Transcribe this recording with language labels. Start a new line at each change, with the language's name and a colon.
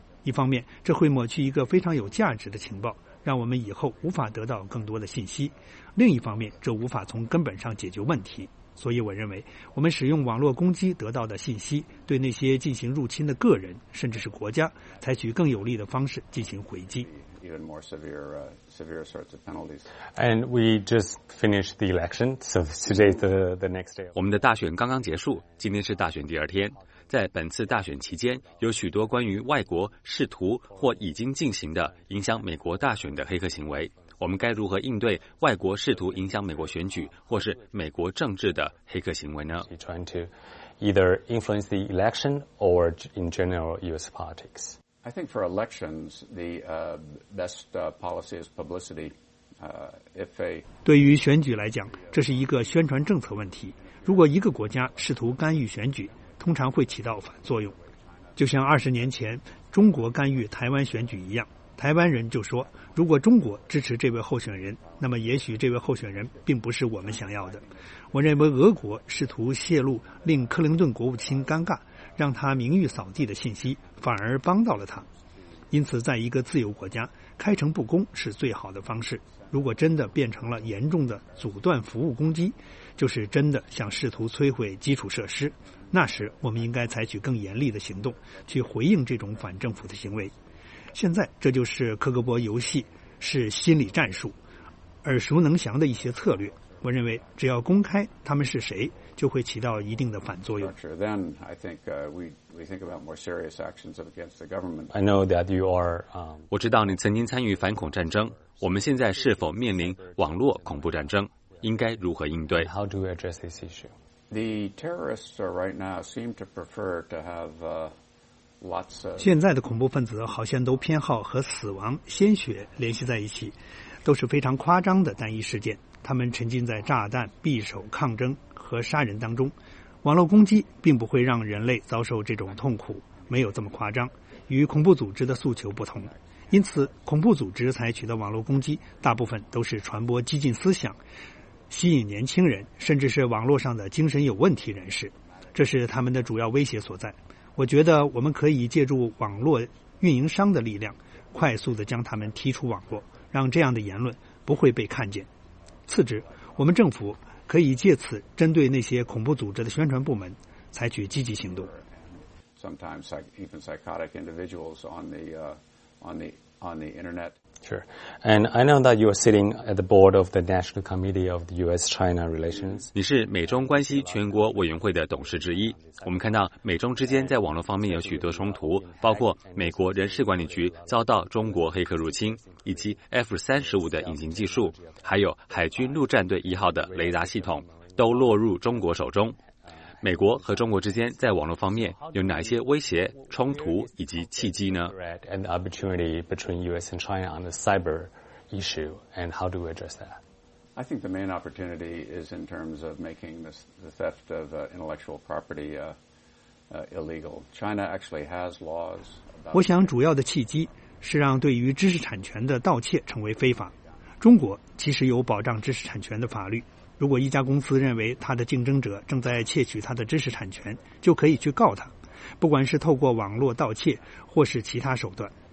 Chinese: 一方面，这会抹去一个非常有价值的情报，让我们以后无法得到更多的信息；另一方面，这无法从根本上解决问题。所以我认为，我们使用网络攻击得到的信息，对那些进行入侵的个人甚至是国家，采取更有力的方式进行回击。
English: Even more severe sorts of penalties. And we just finished the election, so today's the next day.
Chinese: 我们的大选刚刚结束，今天是大选第二天。在本次大选期间，有许多关于外国试图或已经进行的影响美国大选的黑客行为。我们该如何应对外国试图影响美国选举或是美国政治的黑客行为呢？
English: Trying to either influence the election or in general U.S. politics? I think for elections, the best policy is publicity.
Chinese: 对于选举来讲，这是一个宣传政策问题。如果一个国家试图干预选举，通常会起到反作用。就像二十年前中国干预台湾选举一样，台湾人就说，如果中国支持这位候选人，那么也许这位候选人并不是我们想要的。我认为俄国试图泄露令克林顿国务卿尴尬，让他名誉扫地的信息，反而帮到了他。因此，在一个自由国家，开诚布公是最好的方式。如果真的变成了严重的阻断服务攻击，就是真的想试图摧毁基础设施，那时我们应该采取更严厉的行动去回应这种反政府的行为。现在这就是克格勃游戏，是心理战术，耳熟能详的一些策略。我认为只要公开他们是谁，就会起到一定的反作用。
English: Then I think we think about more serious actions against the government. I know that you are.
Chinese: 我知道你曾经参与反恐战争。我们现在是否面临网络恐怖战争？应该如何应对
English: ？How do we address this issue? The terrorists right now seem to prefer to have lots of.
Chinese: 现在的恐怖分子好像都偏好和死亡、鲜血联系在一起，都是非常夸张的单一事件。他们沉浸在炸弹、匕首、抗争和杀人当中。网络攻击并不会让人类遭受这种痛苦，没有这么夸张，与恐怖组织的诉求不同。因此，恐怖组织采取的网络攻击大部分都是传播激进思想，吸引年轻人，甚至是网络上的精神有问题人士，这是他们的主要威胁所在。我觉得我们可以借助网络运营商的力量，快速地将他们踢出网络，让这样的言论不会被看见。次之，我们政府可以借此针对那些恐怖组织的宣传部门采取积极行动。
English: Sometimes even psychotic individuals on the internet. Sure. And I know that you are sitting at the board of the National Committee of the U.S.-China Relations.
Chinese: 你是美中关系全国委员会的董事之一。我们看到美中之间在网络方面有许多冲突，包括美国人事管理局遭到中国黑客入侵，以及 F-35 的隐形技术，还有海军陆战队一号的雷达系统都落入中国手中。美国和中国之间在网络方面有哪些威胁、冲突以及契机呢？
English: And the opportunity between U.S. and China on the cyber issue, and how do we address that? I think the main opportunity is in terms of making the theft of intellectual property illegal. China actually has laws.
Chinese: 我想主要的契机是让对于知识产权的盗窃成为非法。中国其实有保障知识产权的法律。如果一家公司认为他的竞争者正在窃取他的知识产权，就可以去告他，不管是透过网络盗窃或是其他手段。